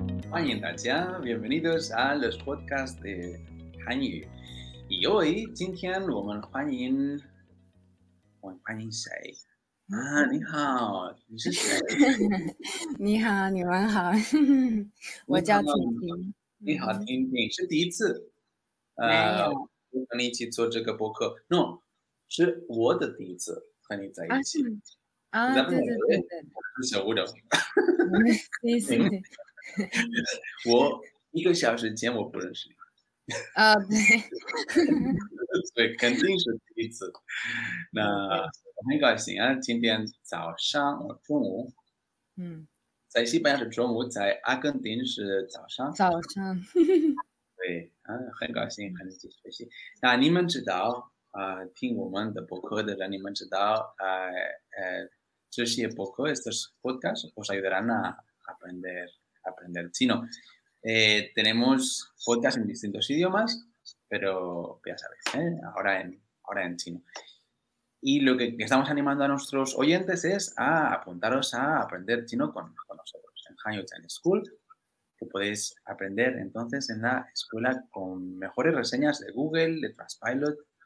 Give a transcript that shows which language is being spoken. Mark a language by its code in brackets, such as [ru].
[zh] 欢迎大家 [es] ，Bienvenidos a los podcasts de 韩语。 y hoy [zh] 今天我们欢迎谁？啊，你好，你是谁？你好，你们好，我叫婷婷。你好，婷婷，是第一次，没有跟你一起做这个播客 ，no， 是我的第一次和你在一起。啊，对对对对，小无聊。谢谢。我一个小时前我不认识你啊，对，对，肯定是第一次。那很高兴啊，今天早上中午，在西班牙是中午，在阿根廷是早上。早上，对啊，很高兴和你一起学习。那你们知道听我们的播客的人，你们知道这些播客 [es] estos podcasts os ayudarán a aprender chino. Tenemos podcast en distintos idiomas, pero ya sabes, ahora en chino. Y lo que estamos animando a nuestros oyentes es a apuntaros a aprender chino con nosotros en Hanyu Chinese School, que podéis aprender entonces en la escuela con mejores reseñas de Google, de Trustpilot.